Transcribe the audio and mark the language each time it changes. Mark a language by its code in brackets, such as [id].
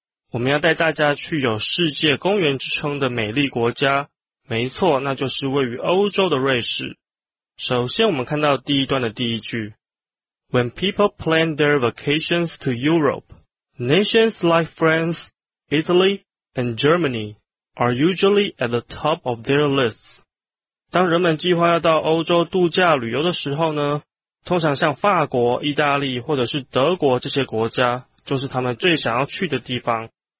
[zh] 我们要带大家去有世界公园之称的美丽国家，没错，那就是位于欧洲的瑞士。首先我们看到第一段的第一句， [en] When people plan their vacations to Europe, nations like France, Italy, and Germany are usually at the top of their lists. [zh] 当人们计划要到欧洲度假旅游的时候呢，通常像法国、意大利或者是德国这些国家就是他们最想要去的地方。